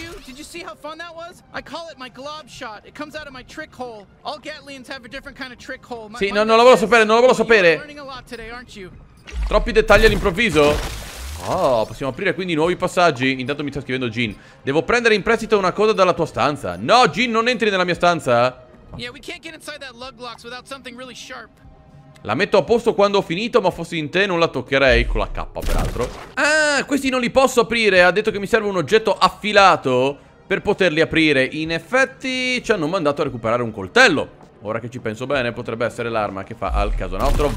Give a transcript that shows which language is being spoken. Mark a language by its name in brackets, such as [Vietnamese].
[English] Did you see how fun that was? I call it my glob shot. It comes out of my trick hole. All Gatlians have a different kind of trick hole. [Italian] Sì, no, non lo volevo sapere, [English] You're learning a lot today, aren't you? [Italian] Troppi dettagli all'improvviso. Oh, possiamo aprire quindi nuovi passaggi. Intanto mi sta scrivendo Jean. Devo prendere in prestito una cosa dalla tua stanza. No, Jean, non entri nella mia stanza. [English] Yeah, we can't get inside that lug locks without something really sharp. [Italian] La metto a posto quando ho finito, ma fossi in te non la toccherei con la K, peraltro. Ah, questi non li posso aprire. Ha detto che mi serve un oggetto affilato per poterli aprire. In effetti ci hanno mandato a recuperare un coltello. Ora che ci penso bene, potrebbe essere l'arma che fa al caso nostro.